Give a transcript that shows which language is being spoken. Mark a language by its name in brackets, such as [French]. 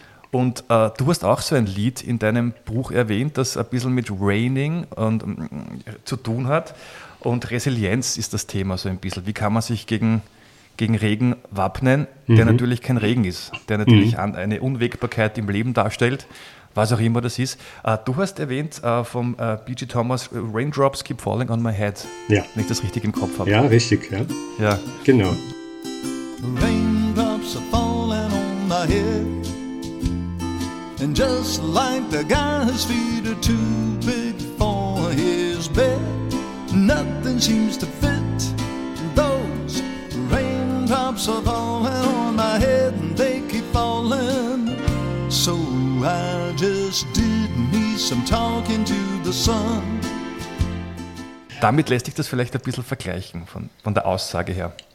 [German] Und du hast auch so ein Lied in deinem Buch erwähnt, das ein bisschen mit Raining und zu tun hat. Und Resilienz ist das Thema so ein bisschen. Wie kann man sich gegen Regen wappnen, der natürlich kein Regen ist, der natürlich eine Unwägbarkeit im Leben darstellt, was auch immer das ist. Du hast erwähnt vom B.G. [English] Thomas, Raindrops keep falling on my head. [German] Ja. Wenn ich das richtig im Kopf habe. Ja, richtig. Ja. Ja. Genau. [English] Raindrops are falling on my head. And just like the guy's feet are too big for his bed, nothing seems to fit. Those raindrops are falling on my head and they keep falling. So I just did need some talking to the sun. [German] Damit lässt sich das vielleicht ein bisschen vergleichen von der Aussage her.